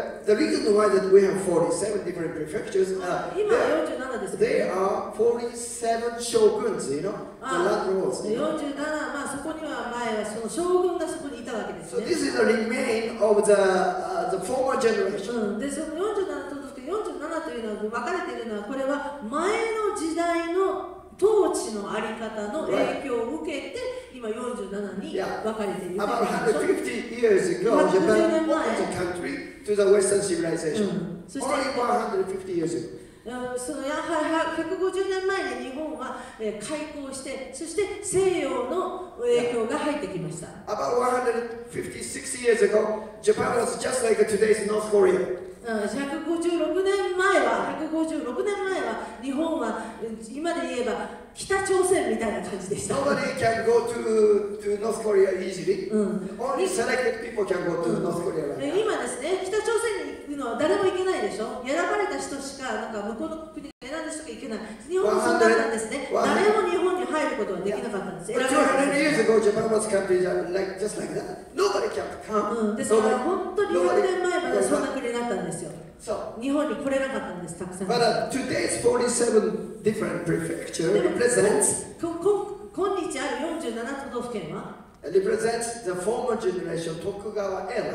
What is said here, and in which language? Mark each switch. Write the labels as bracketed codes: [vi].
[en] the reason why that we have 47 different prefectures [ja] 今は47ですけど [en] there are 47 shoguns, you know, the land lords [ja] 47、まあそこには前はその将軍がそこにいたわけですね [en] so this is the remain of the former generation、 [ja] うん、でその47都道府県47というのは分かれているのはこれは前の時代の統治のあり方の影響を受けて今47に分かれている [en] 、yeah. About 150 years ago, Japan opened the country to the Western civilization.、うん、Only 150 years ago. [ja] そのやはり150年前に日本は開港して、そして西洋の影響が入ってきました。 [en] About 156 years ago, Japan was just like today's North Korea. [ja] 156年前は日本は今で言えば北朝鮮みたいな感じでした。 [en] Nobody can go to North Korea easily. Only selected people can go to North Korea. [ja] 今ですね、北朝鮮に行くのは誰も行けないでしょ。選ばれた人しか、なんか向こうの国に選んでしか行けない。日本はそうだったんですね。誰も日本に入ることはできなかったんです。 [en] Yeah. 200 years ago, Japan was country like just like that. Nobody can come. [ja] ですから本当に100年前までそんな国になったんですよ。日本に来れなかったんです、たくさん。 [en] But today's 47 different prefecture represents [ja] 今日ある47都道府県は [en] represents the former generation 徳川era、